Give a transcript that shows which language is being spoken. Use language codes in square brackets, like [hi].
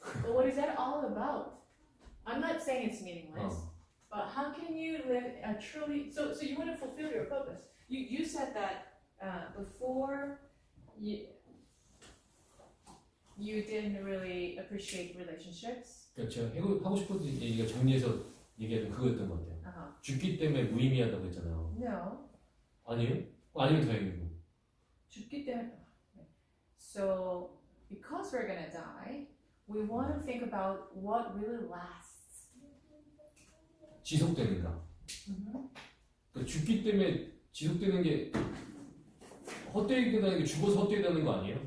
[en] But what is that all about? I'm not saying it's meaningless, but how can you live a truly, so you want to fulfill your purpose. You said that before you didn't really appreciate relationships. [ko] 그렇죠. 이거 하고 싶었던 얘기가 정리해서 얘기하면 그거였던 것 같아요. 죽기 때문에 무의미하다고 했잖아요. [en] No. [ko] 아니면 다행이고. 죽기 때문에. [en] So because we're gonna die, we want to think about what really lasts. [ko] 지속되는가. Mm-hmm. 그 죽기 때문에 지속되는 게 헛되다는 게 죽어서 헛되다는 거 아니에요?